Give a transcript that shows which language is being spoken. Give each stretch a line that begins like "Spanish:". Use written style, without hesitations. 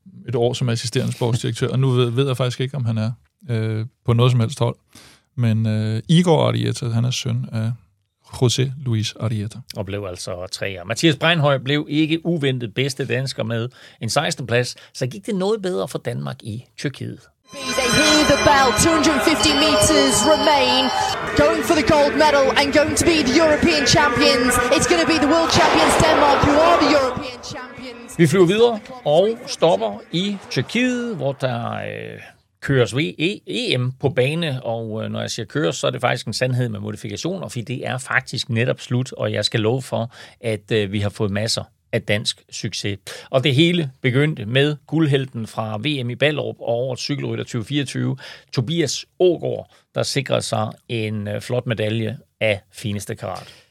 Danish: Et år som assisterende sportsdirektør, og nu ved jeg faktisk ikke, om han er på noget som helst hold. Men Igor Arrieta, han er søn af José Luis Arrieta. Og blev altså treer. Mathias Breinhøj blev ikke uventet bedste dansker med en 16. plads, så gik det noget bedre for Danmark i Tyrkiet.
English: They hear the bell, 250 meters remain. Going for the gold medal and going to be the European champions. It's going to be the world champions Denmark who are the European champions.
Danish: Vi flyver videre og stopper i Tyrkiet, hvor der køres EM på bane, og når jeg siger køres, så er det faktisk en sandhed med modifikationer, fordi det er faktisk netop slut, og jeg skal love for, at vi har fået masser af dansk succes. Og det hele begyndte med guldhelten fra VM i Ballerup og årets cykelrytter 2024, Tobias Aagaard, der sikrede sig en flot medalje af fineste karat.